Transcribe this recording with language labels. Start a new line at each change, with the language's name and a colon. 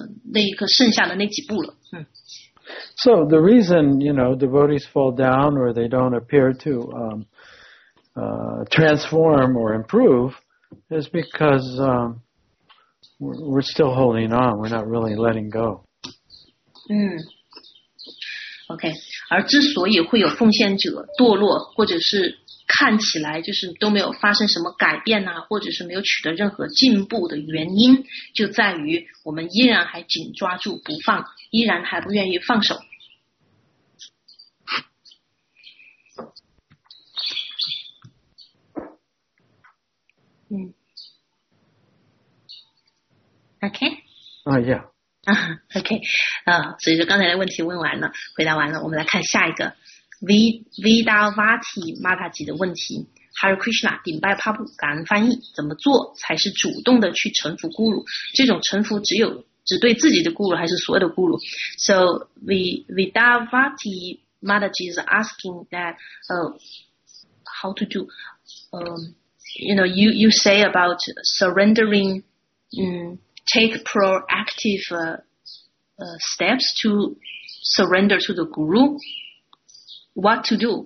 English: So the reason, you know, devotees fall down or they don't appear to transform or improve is because we're still holding on. We're not really letting go.
Chinese: OK, 而之所以会有奉献者堕落，或者是看起来就是都没有发生什么改变啊，或者是没有取得任何进步的原因，就在于我们依然还紧抓住不放，依然还不愿意放手。 OK, 所以就刚才的问题问完了，回答完了，我们来看下一个 Vidavati Mataji 的问题。 Hare Krishna, 顶拜帕布，感恩翻译，怎么做才是主动的去臣服咕噜？这种臣服只对自己的咕噜还是所有的咕噜？
English: So Vidavati Mataji is asking that how to do you know, you say about surrendering take proactive steps to surrender to the guru. What to do?